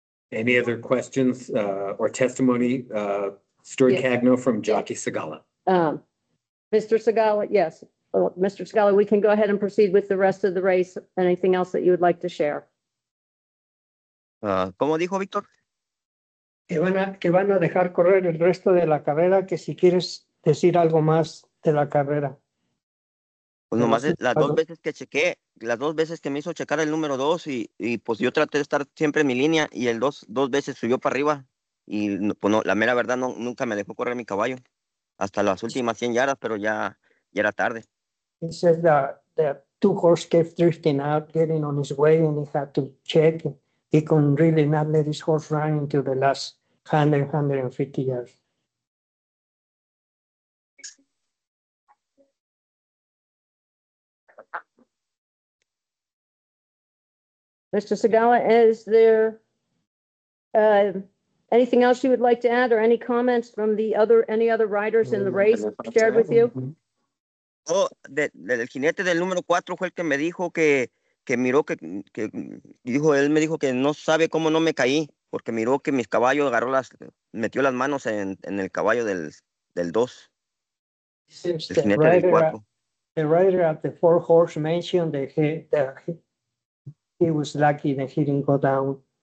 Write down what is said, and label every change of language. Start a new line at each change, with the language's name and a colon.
English: Any other questions or testimony? Stuart Cagno from Jockey Segala. Mr. Segala, yes. Well, Mr. Segala, we can go ahead and proceed with the rest of the race. Anything else that you would like to share?
Spanish: Como dijo Víctor? Que van a dejar correr el resto de la carrera, que si quieres decir algo más de la carrera. Pues nomás las dos veces que chequé, las dos veces que me hizo checar el número dos, y pues yo traté de estar siempre en mi línea, y el dos veces subió para arriba, y pues no, la mera verdad, no, nunca me dejó correr mi caballo, hasta las últimas 100 yardas, pero ya era tarde.
English: He says that two horse kept drifting out, getting on his way, and he had to check. He couldn't really not let his horse run into the last 150 yards. Mr. Segala, is there anything else you would like to add, or any comments from any other riders in the race shared with you?
Spanish: Oh, del jinete del número cuatro fue el que me dijo que miró que dijo, él me dijo que no sabe cómo no me caí, porque miró que mis caballos agarró las, metió las manos en el caballo del dos. El jinete del cuatro.
English: The rider at the four horse mentioned that he was lucky that he didn't go down.